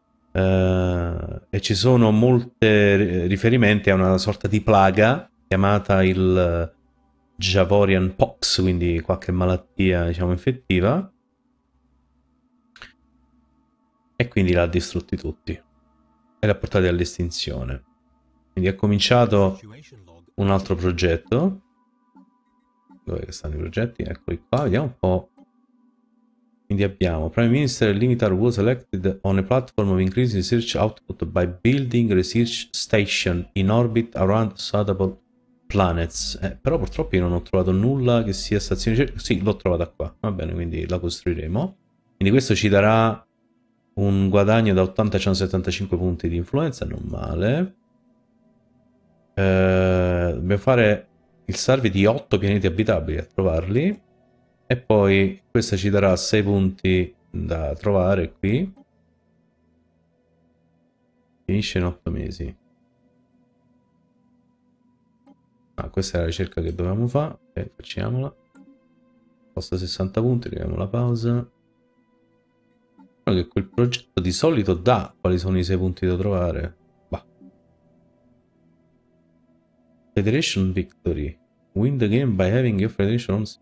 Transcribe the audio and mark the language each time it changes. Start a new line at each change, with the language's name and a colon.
Italian: E ci sono molte riferimenti a una sorta di plaga chiamata il Javorian Pox, quindi qualche malattia diciamo infettiva, e quindi l'ha distrutti tutti e l'ha portati all'estinzione. Quindi ha cominciato un altro progetto. Dove stanno i progetti? Eccoli qua, vediamo un po'. Quindi abbiamo
English: Prime Minister Limitar was elected on a platform of increasing research output by building research station in orbit around suitable planets.
Italian: Però purtroppo io non ho trovato nulla che sia stazione di ricerca. Sì, l'ho trovata qua. Va bene, quindi la costruiremo. Quindi questo ci darà un guadagno da 80 a 175 punti di influenza, non male. Dobbiamo fare il survey di 8 pianeti abitabili a trovarli. E poi questa ci darà 6 punti da trovare qui. Finisce in 8 mesi. Ah, questa è la ricerca che dovevamo fare. Okay, facciamola. Costa 60 punti, arriviamo alla pausa. Però che quel progetto di solito dà quali sono i 6 punti da trovare. Bah.
English: Federation Victory. Win the game by having your Federation on...